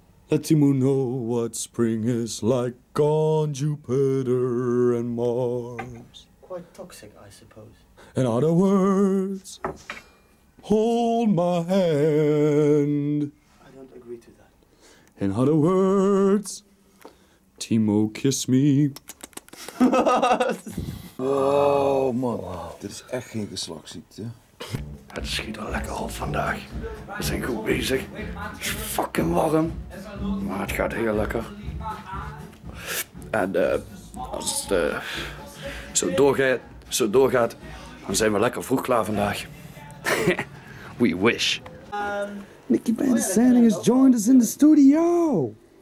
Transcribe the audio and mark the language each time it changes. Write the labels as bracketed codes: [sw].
[en] Let Timo know what spring is like on Jupiter and Mars. Quite toxic, I suppose. In other words, hold my hand. I don't agree to that. In other words, Timo, kiss me. Oh man, wow. [nl] Dit is echt geen geslachtsziekte. Het schiet al lekker op vandaag. We zijn goed bezig. Het is fucking warm. Maar het gaat heel lekker. En als het zo doorgaat, dan zijn we lekker vroeg klaar vandaag. [en] We wish. Nicky Band Sanding has joined us in the studio.